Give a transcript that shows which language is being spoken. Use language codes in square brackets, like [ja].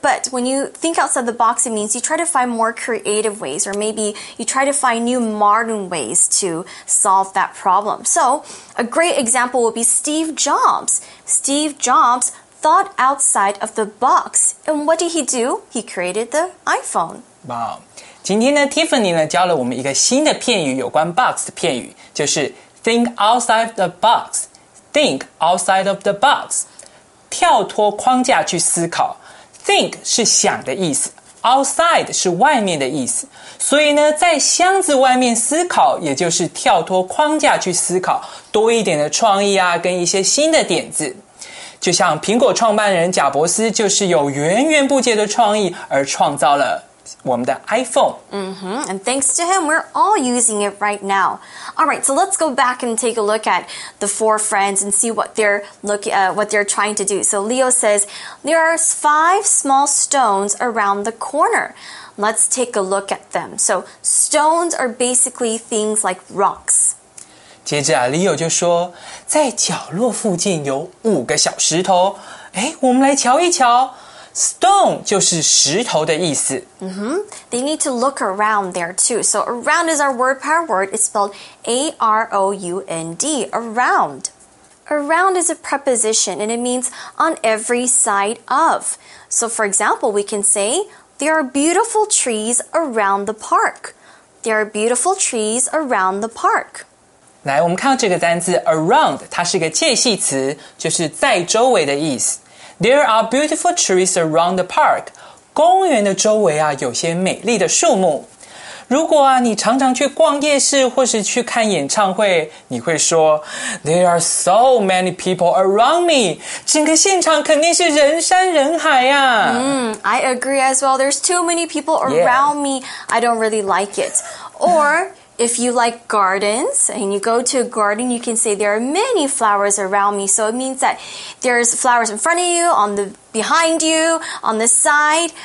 [en] But when you think outside the box, it means you try to find more creative ways, or maybe you try to find new modern ways to solve that problem. So a great example would be Steve Jobs. Steve Jobs thought outside of the box. And what did he do? He created the iPhone. Wow. [zh] 今天呢 Tiffany 呢教了我们一个新的片语，有关 box 的片语，就是 [en] think outside the box. Think outside of the box. [zh] 跳脱框架去思考 ，think 是想的意思 ，outside 是外面的意思。所以呢，在箱子外面思考，也就是跳脱框架去思考，多一点的创意啊，跟一些新的点子。就像苹果创办人贾伯斯，就是有源源不绝的创意而创造了。我们的 iPhone. Mm-hmm. [en] And thanks to him, we're all using it right now. All right, so let's go back and take a look at the four friends and see what they're trying to do. So Leo says, there are five small stones around the corner. Let's take a look at them. So stones are basically things like rocks. [zh] 接着啊 ,Leo 就说在角落附近有五个小石头。诶我们来瞧一瞧。Stone 就是石头的意思。 Mm-hmm. [en] They need to look around there too. So around is our word power word. It's spelled A-R-O-U-N-D, around. Around is a preposition and it means on every side of. So for example, we can say, there are beautiful trees around the park. There are beautiful trees around the park. [zh] 来我们看到这个单字 around, 它是个介系词就是在周围的意思。 [en] There are beautiful trees around the park. [zh] 公园的周围啊，有些美丽的树木。如果啊，你常常去逛夜市或是去看演唱会，你会说 [en] There are so many people around me. [zh] 整个现场肯定是人山人海啊。 [en] I agree as well. There's too many people around me. I don't really like it. Or, if you like gardens and you go to a garden, you can say there are many flowers around me. So it means that there's flowers in front of you, behind you, on the side.